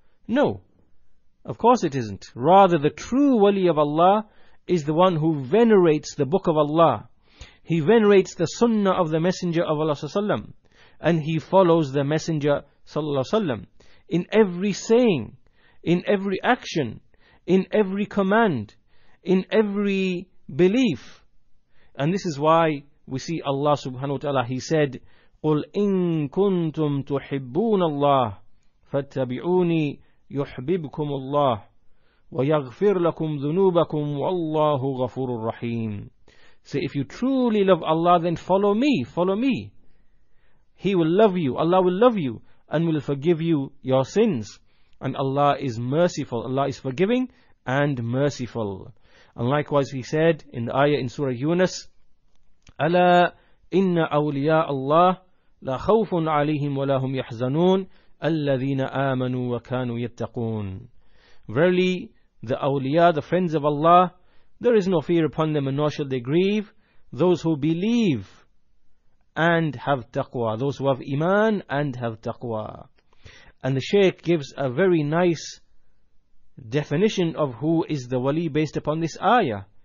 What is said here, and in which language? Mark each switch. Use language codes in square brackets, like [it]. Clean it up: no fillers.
[en] No, of course it isn't. Rather, the true wali of Allah is the one who venerates the book of Allah. He venerates the sunnah of the Messenger of Allah sallallahu alaihi wasallam. And he follows the Messenger sallallahu alaihi wasallam in every saying, in every action, in every command, in every belief. And this is why we see Allah subhanahu wa ta'ala, he said, [ar] قُلْ إِن كُنْتُمْ تُحِبُّونَ اللَّهِ فَاتَّبِعُونِي يُحْبِبْكُمُ اللَّهِ وَيَغْفِرْ لَكُمْ ذُنُوبَكُمْ وَاللَّهُ غَفُورٌ رَحِيمٌ. [en] Say, if you truly love Allah, then follow me, follow me. He will love you, Allah will love you, and will forgive you your sins. And Allah is merciful, Allah is forgiving and merciful. And likewise he said in the ayah in Surah Yunus, [ar] أَلَا إِنَّ أَوْلِيَاءَ اللَّهِ لَا خَوْفٌ عَلَيْهِمْ وَلَا هُمْ يَحْزَنُونَ الَّذِينَ آمَنُوا وَكَانُوا يَتَّقُونَ. [en] Verily, the awliya, the friends of Allah, there is no fear upon them and nor shall they grieve. Those who believe and have taqwa, those who have iman and have taqwa. And the Shaykh gives a very nice definition of who is the wali based upon this ayah.